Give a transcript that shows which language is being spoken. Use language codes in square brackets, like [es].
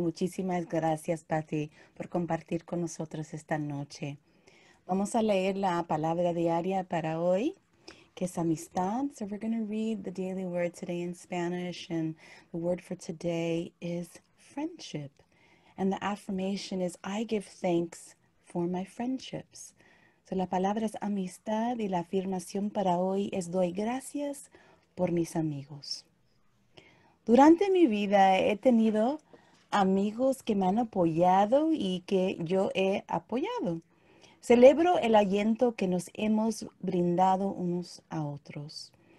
[es] Muchísimas gracias, Patty, por compartir con nosotros esta noche. Vamos a leer la palabra diaria para hoy, que es amistad. [en] So we're going to read the daily word today in Spanish, and the word for today is friendship. And the affirmation is, I give thanks for my friendships. [es] So la palabra es amistad y la afirmación para hoy es, doy gracias por mis amigos. Durante mi vida he tenido amigos que me han apoyado y que yo he apoyado. Celebro el aliento que nos hemos brindado unos a otros.